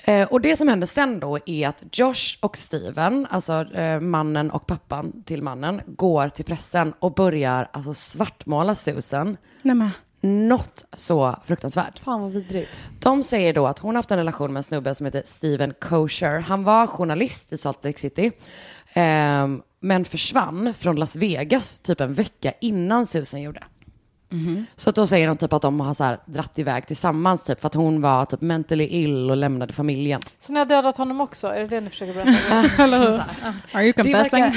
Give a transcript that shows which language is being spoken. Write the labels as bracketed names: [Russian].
[Swedish] Och det som hände sen då är att Josh och Steven, alltså mannen och pappan till mannen, går till pressen och börjar alltså svartmåla Susan. Nämen. Något så fruktansvärt. Fan vad vidrigt. De säger då att hon har haft en relation med en snubbe som heter Steven Kosher. Han var journalist i Salt Lake City. Men försvann från Las Vegas typ en vecka innan Susan gjorde. Mm-hmm. Så då säger de typ att de har så här dratt iväg tillsammans typ för att hon var typ [English] mentally ill [Swedish] och lämnade familjen. Så ni har dödat honom också? Är det det ni försöker berätta? [English] Are you confessing?